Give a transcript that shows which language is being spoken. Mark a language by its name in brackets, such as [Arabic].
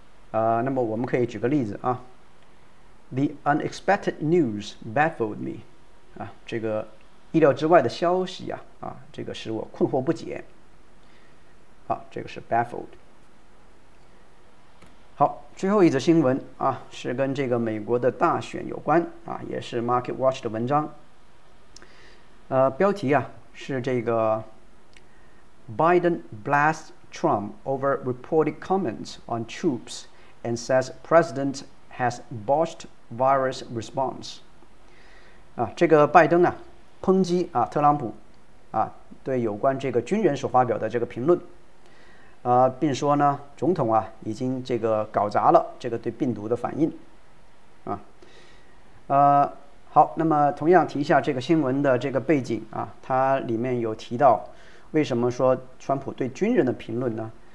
[Chinese] 那么我们可以举个例子啊 ， [English] the unexpected news baffled me [Chinese] 啊，这个意料之外的消息啊，这个使我困惑不解。好，这个是 baffled。好，最后一则新闻啊，是跟这个美国的大选有关啊，也是 Market Watch 的文章。标题啊是这个 [English] Biden blasts Trump over reported comments on troops and says president has botched virus response。 [Chinese] 啊，这个拜登啊抨击啊特朗普啊对有关这个军人所发表的这个评论。并说呢，总统啊已经这个搞砸了这个对病毒的反应，好，那么同样提一下这个新闻的这个背景啊，它里面有提到为什么说川普对军人的评论呢？